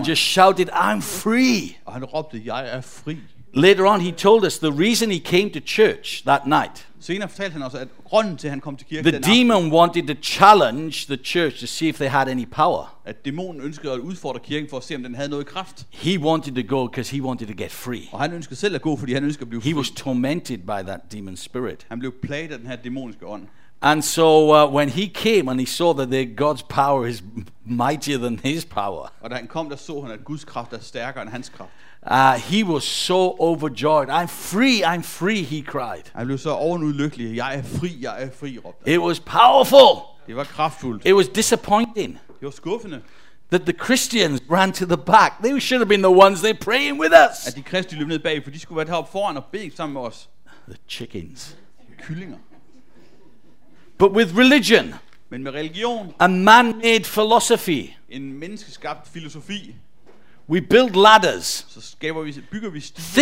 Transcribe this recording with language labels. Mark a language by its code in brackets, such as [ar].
[en] And just shouted, "I'm free." [da] Og han råbte, "Jeg er fri." [en] Later on, he told us the reason he came to church that night. [da] Senere fortalte han også, at grunden til han kom til kirke [en] the [da] den aften. [en] The demon wanted to challenge the church to see if they had any power. [da] At dæmonen ønskede at udfordre kirken for at se om den havde noget kraft. [en] He wanted to go because he wanted to get free. [da] Og han ønskede selv at gå, fordi han ønskede at blive fri. [en] He was tormented by that demon spirit. [da] Han blev plaget af den her dæmoniske ånd. [en] And so when he came and he saw that God's power is mightier than his power. [da] Og da han kom, der så han at Guds kraft er stærkere end hans kraft. [en] He was so overjoyed. I'm free, he cried. [da] Han blev så ovenudlykkelig. Jeg er fri, råbte han. [en] It was powerful. [da] Det var kraftfuldt. [en] It was disappointing. [da] Det var skuffende. [en] That the Christians ran to the back. They should have been the ones there praying with us. [da] At de kristne løb ned bag, for de skulle være deroppe foran og bede sammen med os. [en] The chickens. [da] Kyllinger. [en] But with religion. [da] Men med religion. [en] A man-made philosophy. [da] En menneskeskabt filosofi. [en] We build ladders. [da] Så skaber vi, bygger vi stiger.